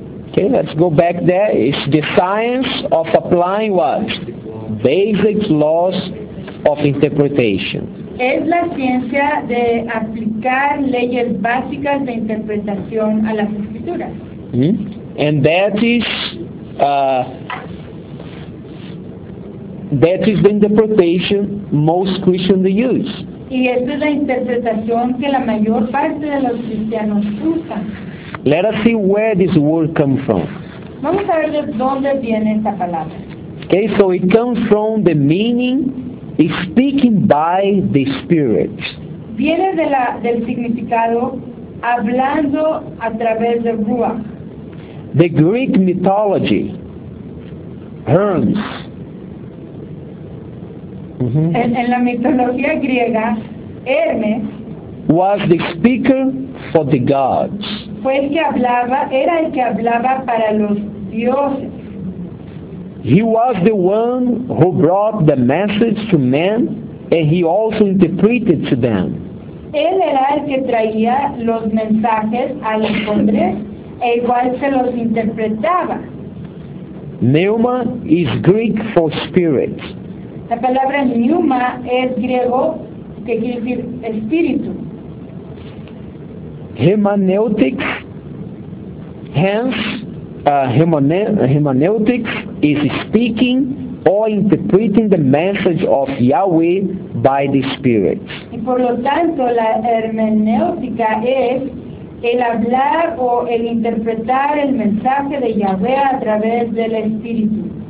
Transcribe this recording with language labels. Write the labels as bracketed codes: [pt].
[en] Okay, let's go back there. It's the science of applying what? Basic laws of interpretation. [es] Es la ciencia de aplicar leyes básicas de interpretación a las escrituras. [en] And that is the interpretation most Christians use. [es] Y esta es la interpretación que la mayor parte de los cristianos usan. [en] Let us see where this word comes from. [es] Vamos a ver de dónde viene esta palabra. [en] Okay, so it comes from the meaning speaking by the Spirit. [es] Viene de del significado hablando a través de Ruach. [en] The Greek mythology, Hermes. [es] En la mitología griega, Hermes [en] was the speaker for the gods. [es] Fue el que hablaba, era el que hablaba para los dioses. [en] He was the one who brought the message to men, and he also interpreted to them. [es] Él era el que traía los mensajes a los hombres, e igual se los interpretaba. [en] Pneuma is Greek for spirit. [es] La palabra pneuma es griego, que quiere decir espíritu. [en] Hermeneutics, hence, hermeneutics is speaking or interpreting the message of Yahweh by the Spirit. [es] Y por lo tanto, la hermenéutica es el hablar o el interpretar el mensaje de Yahweh a través del Espíritu.